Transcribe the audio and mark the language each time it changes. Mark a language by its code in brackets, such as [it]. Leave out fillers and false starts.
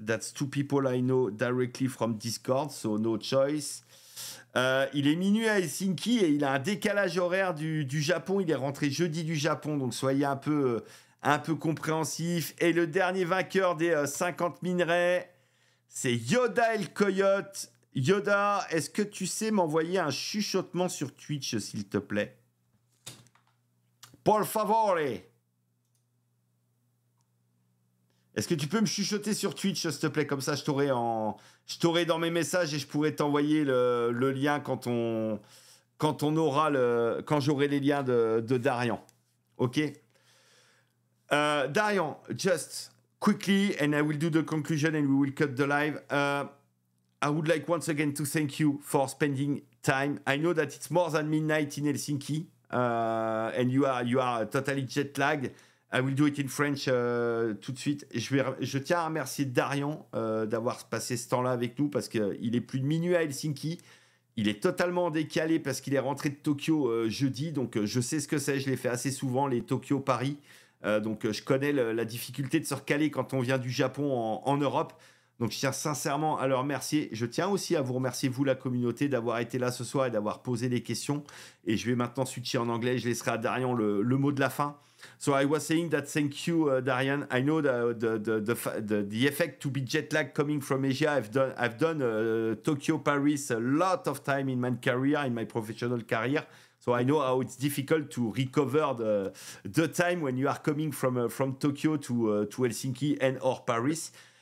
[en] That's two people I know directly from Discord, so no choice. [fr] Il est minuit à Helsinki et il a un décalage horaire du Japon. Il est rentré jeudi du Japon, donc soyez un peu compréhensif. Et le dernier vainqueur des 50 minerais, c'est Yoda El Coyote. Yoda, est-ce que tu sais m'envoyer un chuchotement sur Twitch, s'il te plaît? [it] Por favore! [fr] Est-ce que tu peux me chuchoter sur Twitch, s'il te plaît? Comme ça, je t'aurai dans mes messages et je pourrai t'envoyer le lien quand j'aurai les liens de Darian. OK? [en] Darian, just quickly, and I will do the conclusion and we will cut the live. I would like once again to thank you for spending time. I know that it's more than midnight in Helsinki and you are totally jet lagged. I will do it in French [fr] tout de suite. Je tiens à remercier Darian d'avoir passé ce temps-là avec nous parce qu'il est plus de minuit à Helsinki. Il est totalement décalé parce qu'il est rentré de Tokyo jeudi. Donc, je sais ce que c'est. Je l'ai fait assez souvent, les Tokyo-Paris. Donc, je connais la difficulté de se recaler quand on vient du Japon en Europe. Donc, je tiens sincèrement à le remercier. Je tiens aussi à vous remercier, vous, la communauté, d'avoir été là ce soir et d'avoir posé des questions. Et je vais maintenant switcher en anglais. Je laisserai à Darian le mot de la fin. [en] So I was saying that thank you, Darian. I know the effect to be jet lag coming from Asia. I've done Tokyo, Paris a lot of time in my career, in my professional career. So I know how it's difficult to recover the time when you are coming from Tokyo to Helsinki and or Paris.